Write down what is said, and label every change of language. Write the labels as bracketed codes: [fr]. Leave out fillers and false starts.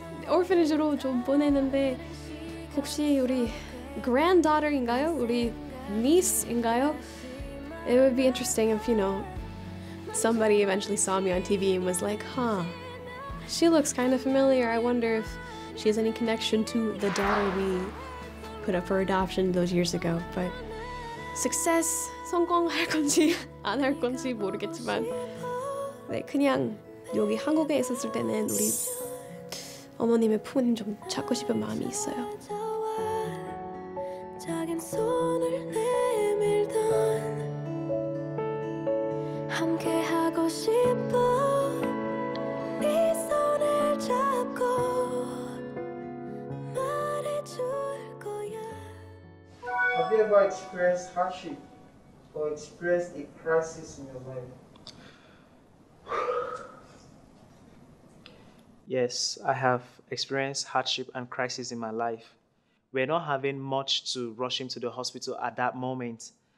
[en] our daughter went to an orphanage, but maybe our granddaughter, our niece, it would be interesting if, you know, somebody eventually saw me on TV and was like, huh, she looks kind of familiar. I wonder if she has any connection to the daughter we put up for adoption those years ago. [ko] But success, 성공할 건지 안 할 건지 모르겠지만, 네 그냥 여기 한국에 있었을 때는 우리 어머님의 품 좀 찾고 싶은 마음이 있어요. 작은 손을 내밀던 함께 하고 싶어 네 손을 잡고 말해줄 거야. [en] Have you ever experienced hardship or experienced a crisis in your life? Yes, I have experienced hardship and crisis in my life. We're not having much to rush him to the hospital at that moment.